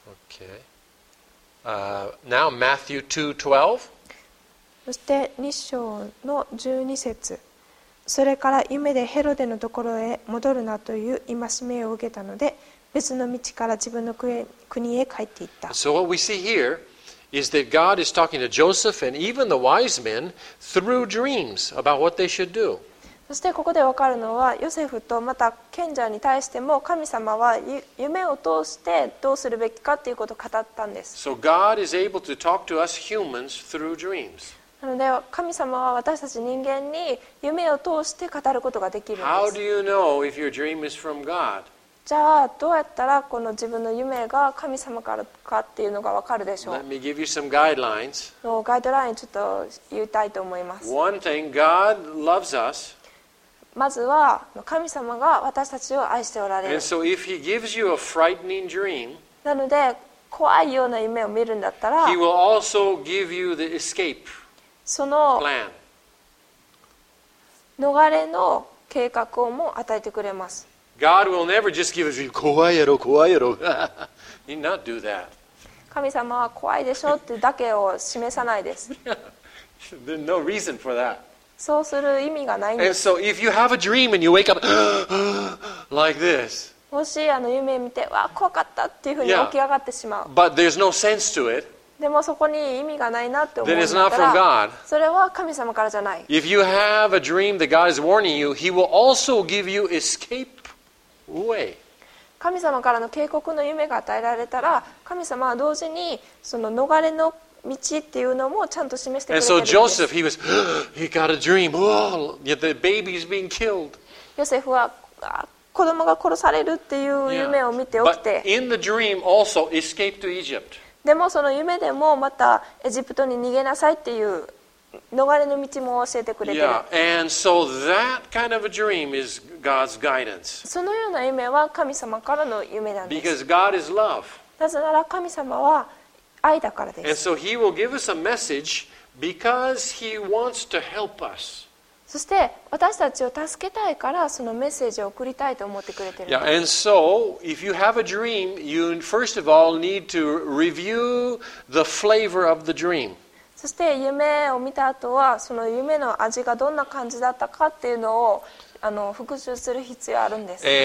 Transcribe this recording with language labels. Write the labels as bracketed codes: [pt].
[en] Okay. Now Matthew 2:12. [ja] そして2章の12節、それから夢でヘロデのところへ戻るなという戒めを受けたので、別の道から自分の国へ帰っていった。 [en] So what we see here is that God is talking to Joseph and even the wise men through dreams about what they should do. [ja] そしてここで分かるのは、ヨセフとまた賢者に対しても神様は夢を通してどうするべきかということを語ったんです。 [en] So God is able to talk to us humans through dreams. [ja] なので神様は私たち人間に夢を通して語ることができるんです。 [en] How do you know if your dream is from God? [ja] じゃあどうやったらこの自分の夢が神様からかっていうのが分かるでしょう。 [en] Let me give you some guidelines. [ja] のガイドラインちょっと言いたいと思います。 [en] One thing, God loves us. [ja] まずは神様が私たちを愛しておられる。 [en] And so if he gives you a frightening dream, [ja] なので怖いような夢を見るんだったら、 [en] he will also give you the escape. [ja] その逃れの計画をも与えてくれます。 [en] God will never just give you [ja] 怖いやろ怖いやろ。 [en] He not do that. [ja] 神様は怖いでしょってだけを示さないです。 [en] There's no reason for that. [ja] そうする意味がないんです。 [en] And so if you have a dream and you wake up like this, [ja] もし夢見てわ怖かったっていうふうに起き上がってしまう。 [en] Yeah. But there's no sense to it. [ja] でもそこに意味がないなって思ったら、それは神様からじゃない。 [en] If you have a dream that God is warning you, He will also give you escape way. [ja] 神様からの警告の夢が与えられたら、神様は同時にその逃れの道っていうのもちゃんと示してくれてるんです。 [en] And so Joseph, he was, he got a dream. Oh, the baby is being killed. [ja] ヨセフは子供が殺されるっていう夢を見て起きて、 [en] But in the dream also escape to Egypt. [ja] でもその夢でもまたエジプトに逃げなさいっていう逃れの道も教えてくれてる。 [en] Yeah, and so that kind of a dream is God's guidance. [ja] そのような夢は神様からの夢なんです。 [en] Because God is love. [ja] なぜなら神様は愛だからです。 [en] And so He will give us a message because He wants to help us. [ja] そして私たちを助けたいからそのメッセージを送りたいと思ってくれてる。 [en] Yeah, and so if you have a dream, you first of all need to review the flavor of the dream. [ja] そして夢を見た後はその夢の味がどんな感じだったかっていうのを復習する必要あるんです。